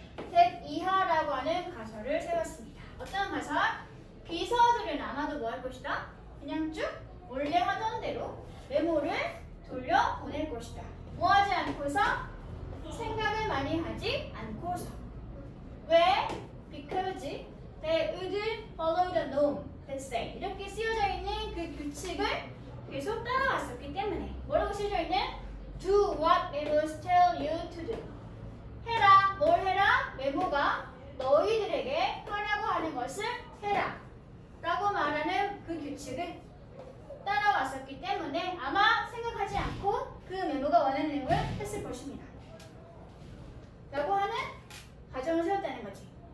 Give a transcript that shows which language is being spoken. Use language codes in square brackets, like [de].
[ko] 댓 이하라고 하는 가설을 세웠습니다. 어떤 가설? 비서들은 아마도 뭐 할 것이다? 그냥 쭉 원래 하던 대로 메모를 돌려 보낼 것이다. 뭐 하지 않고서? 생각을 많이 하지 않고서. 왜? [en] Because they would follow the norm, they say. [ko] 이렇게 쓰여져 있는 그 규칙을 계속 따라왔었기 때문에. 뭐라고 쓰여져 있는? [en] Do what memos tell you to do. [ko] 해라. 뭘 해라? 메모가 너희들에게 하라고 하는 것을 해라 라고 말하는 그 규칙을 따라왔었기 때문에 아마 생각하지 않고 그 메모가 원하는 내용을 했을 것입니다 라고 하는 가정을 세웠다는 거지.